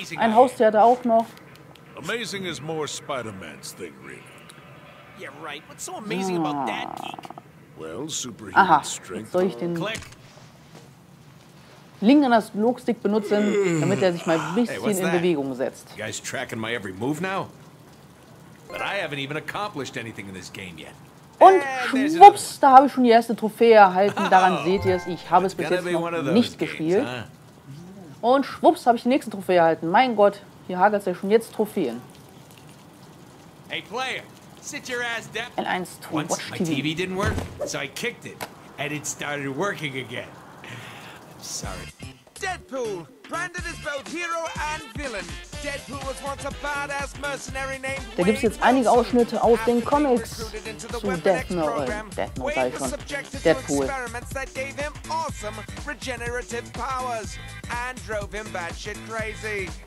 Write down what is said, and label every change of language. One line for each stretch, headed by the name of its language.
German: Ein Haustier auch noch.
English: Amazing is more Spider-Man's thing, really. Yeah, right. What's so amazing about that geek? Well, superhuman strength.
German: Soll ich den Link an das Logstick benutzen, damit er sich mal ein bisschen in Bewegung setzt?
English: You guys tracking my every move now? But I haven't even accomplished anything in this game yet.
German: Und schwupps, da habe ich schon die erste Trophäe erhalten. Daran seht ihr es, ich habe es bis jetzt noch nicht gespielt. Und schwupps, habe ich die nächste Trophäe erhalten. Mein Gott, hier hagelt es ja schon jetzt Trophäen.
English: Hey Player, sit your ass down. L1 to Watch TV. My TV didn't work, so I kicked it. And it started working again. I'm sorry. Deadpool, branded as both hero and villain. Deadpool was once a badass mercenary named Wade.
German: Da gibt's jetzt einige Ausschnitte aus den Comics zu Death Note. Death Note, sag ich schon. Deadpool.
English: Experiments that gave him awesome regenerative powers and drove him batshit crazy.